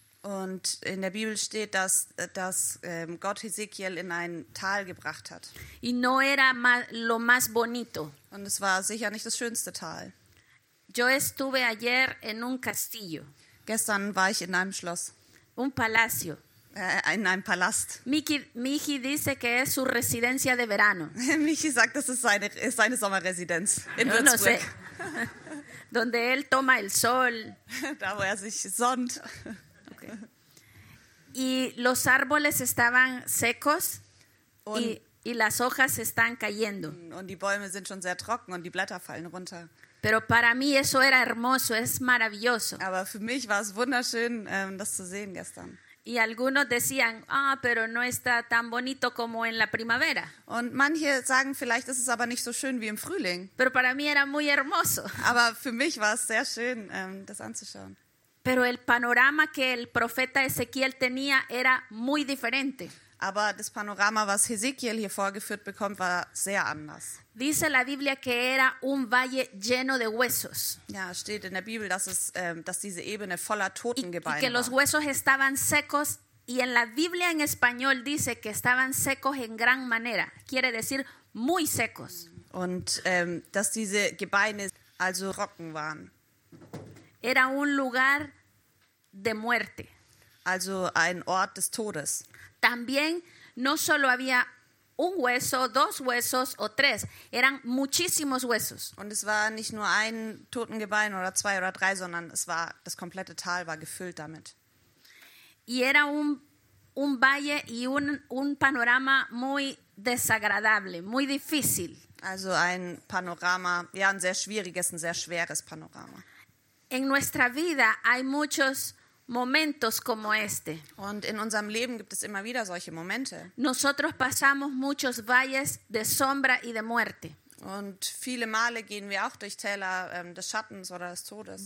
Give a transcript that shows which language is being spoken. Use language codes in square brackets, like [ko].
[de] Und in der Bibel steht, dass Gott Ezequiel in ein Tal gebracht hat. [es] Y no era lo más bonito. [de] Und es war sicher nicht das schönste Tal. [es] Yo estuve ayer en un castillo. [de] Gestern war ich in einem Schloss. [es] Un palacio. [de] In einem Palast. [es] Michi dice que es su residencia de verano. [de] Michi sagt, das ist seine Sommerresidenz in Würzburg. [es] No sé. Donde él toma el sol. [de] Da, wo er sich sonnt. Okay. [es] Y los árboles estaban secos y las hojas están cayendo. [de] Und die Bäume sind schon sehr trocken und die Blätter fallen runter. [es] Pero para mí eso era hermoso, es maravilloso. [de] Aber für mich war es wunderschön, das zu sehen gestern. [es] Y algunos decían, pero no está tan bonito como en la primavera. [de] Und manche sagen, vielleicht ist es aber nicht so schön wie im Frühling. [es] Pero para mí era muy hermoso. [de] Aber für mich war es sehr schön, das anzuschauen. [es] Pero el panorama que el profeta Ezequiel tenía era muy diferente. [de] Aber das Panorama, was Hesekiel hier vorgeführt bekommt, war sehr anders. [es] Dice la Biblia que era un valle lleno de huesos. [de] Ja, steht in der Bibel, dass es, dass diese Ebene voller Totengebeine war. [es] Y que los huesos estaban secos. Y en la Biblia en español dice que estaban secos en gran manera. Quiere decir muy secos. [de] Und dass diese Gebeine also trocken waren. [es] Era un lugar de muerte. [de] Also ein Ort des Todes. [es] También no solo había un hueso, dos huesos o tres, eran muchísimos huesos. [de] Und es war nicht nur ein Totengebein oder zwei oder drei, sondern es war das komplette Tal war gefüllt damit. [es] Y era un valle y un panorama muy desagradable, muy difícil. [de] Also ein Panorama, ja, ein sehr schwieriges, ein sehr schweres Panorama. [es] En nuestra vida hay muchos momentos como este. [de] Und in unserem Leben gibt es immer wieder solche Momente. [es] Nosotros pasamos muchos valles de sombra y de muerte. [de] Und viele Male gehen wir auch durch Täler des Schattens oder des Todes.